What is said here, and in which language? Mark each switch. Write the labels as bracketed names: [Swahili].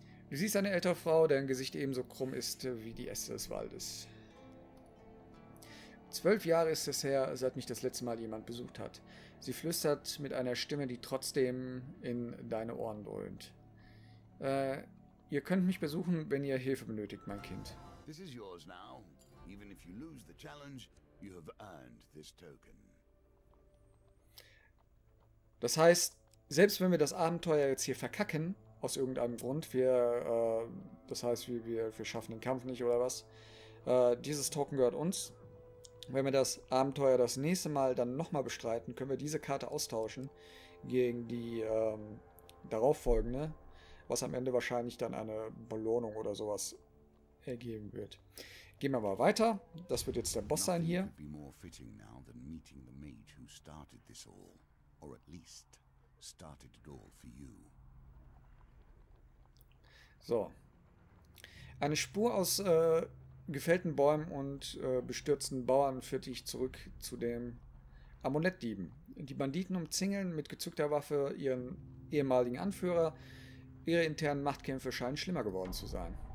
[German] Du siehst eine ältere Frau, deren Gesicht ebenso krumm ist wie die Äste des Waldes. 12 Jahre ist es her, seit mich das letzte Mal jemand besucht hat. Sie flüstert mit einer Stimme, die trotzdem in deine Ohren dröhnt. Ihr könnt mich besuchen, wenn ihr Hilfe benötigt, mein Kind. [English] This is yours now. Even if you lose the challenge, you have earned this token. [German] Das heißt, selbst wenn wir das Abenteuer jetzt hier verkacken, aus irgendeinem Grund, wir schaffen den Kampf nicht oder was, dieses Token gehört uns. Wenn wir das Abenteuer das nächste Mal dann nochmal bestreiten, können wir diese Karte austauschen gegen die darauffolgende, was am Ende wahrscheinlich dann eine Belohnung oder sowas ergeben wird. Gehen wir mal weiter. Das wird jetzt der Boss sein hier. [English] Nothing could be more fitting now than meeting the mage who started this all, or at least started it all for you. So. [German] Eine Spur aus gefällten Bäumen und bestürzten Bauern führt dich zurück zu dem Amulettdieben. Die Banditen umzingeln mit gezückter Waffe ihren ehemaligen Anführer. Ihre internen Machtkämpfe scheinen schlimmer geworden zu sein.